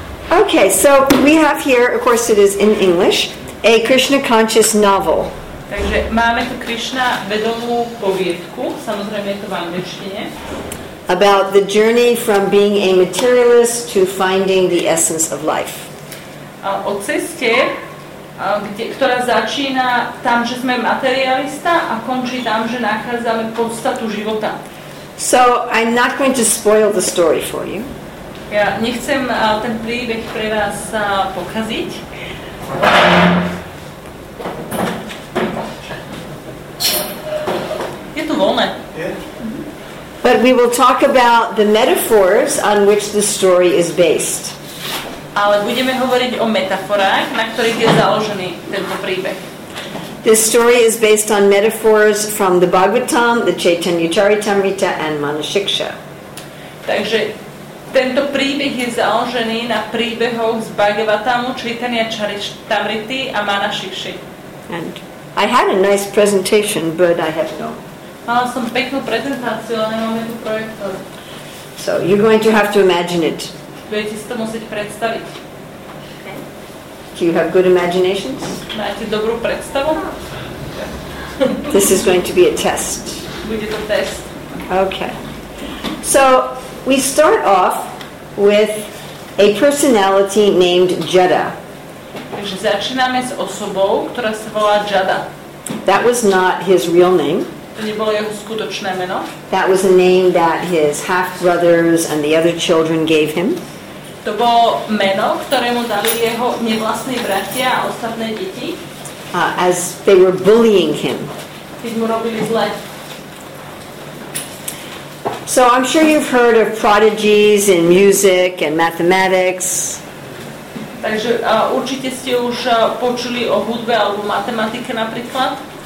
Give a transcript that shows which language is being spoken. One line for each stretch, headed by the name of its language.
English: Okay, so we have here, of course it is in English, a Krishna conscious novel.
Slovak: Takže máme tu Krishna vedomú poviedku, samozrejme je to v angličtine.
English: About the journey from being a materialist to finding the essence of life.
Slovak: O ceste, ktorá začína tam, že sme materialista a končí tam, že nachádzame podstatu života.
English: So I'm not going to spoil the story for you.
Slovak: Ja nechcem ten príbeh pre vás pokaziť. Je to voľné.
English: But we will talk about the metaphors on which the story is based.
Slovak: Ale budeme hovoriť o metaforách, na ktorých je založený tento príbeh.
English: This story is based on metaphors from the Bhagavatam, the Chaitanya Charitamrita and Manushiksha.
Slovak: Takže tento príbeh je založený na príbehoch z Bhagavatamu, Chaitanya Charitamriti a Manushikshi.
English: And I had a nice presentation, but I have no.
Slovak: Mala som peknú prezentáciu, ale nemám tu projektor.
English: So you're going to have to imagine it.
Slovak: Budete si to musieť predstaviť.
English: Do you have good imaginations?
Slovak: Máte dobrú predstavu?
English: This is going to be a test.
Slovak: Bude to test.
English: Okay. So, we start off with a personality named Jada.
Slovak: Takže začíname s osobou, ktorá sa volá Jada.
English: That was not his real name.
Slovak: To nebolo jeho skutočné meno.
English: That was a name that his half-brothers and the other children gave him.
Slovak: To bolo meno, ktoré mu dali jeho nevlastní bratia a ostatné deti.
English: As they were bullying him.
Slovak: Keď mu robili zle.
English: So I'm sure you've heard of prodigies in music and mathematics.
Slovak: Takže určite ste už počuli o hudbe alebo matematike napríklad.